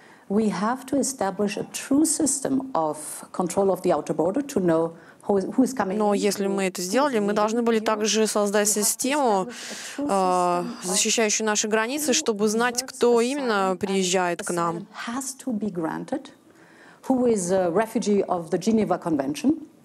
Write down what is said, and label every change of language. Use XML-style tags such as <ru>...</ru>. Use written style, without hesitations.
<en>We have to establish a true system of control of the outer border to know who is coming.</en> <ru>Но если мы это сделали, мы должны были также создать систему, защищающую наши границы, чтобы знать, кто именно приезжает к нам.</ru> <en>Has to be granted, who is a refugee of the Geneva Convention.</en>